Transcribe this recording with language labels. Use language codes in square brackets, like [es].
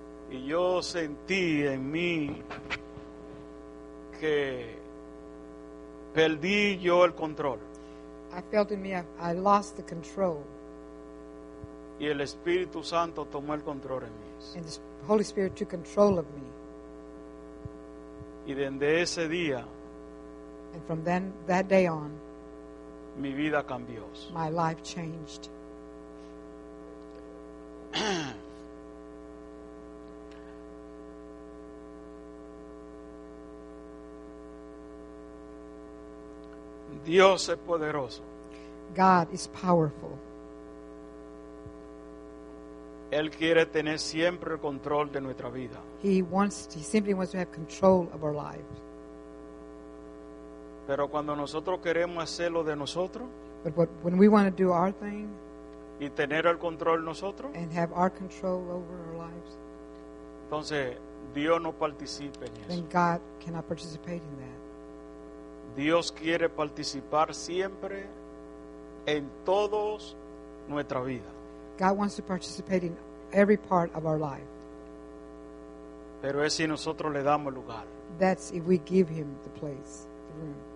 [es] Y yo sentí en mí que perdí yo el control. [en] I felt in me I lost the control. [es] Y el Espíritu Santo tomó el control en mí. [en] And the Holy Spirit took control of me. [es] Y desde ese día, [en] and from then, that day on, [es] mi vida cambió. [en] My life changed. [es] Dios es poderoso. [en] God is powerful. [es] Él quiere tener siempre el control de nuestra vida. [en] He simply wants to have control of our lives. [es] Pero cuando nosotros queremos hacerlo de nosotros, [en] but when we want to do our thing, [es] y tener el control nosotros, [en] and have our control over our lives, [es] entonces Dios no participa en eso. [en] Then God cannot participate in that. [es] Dios quiere participar siempre en todos nuestra vida. [en] God wants to participate in every part of our life. [es] Pero es si nosotros le damos lugar. [en] That's if we give him the place, the room.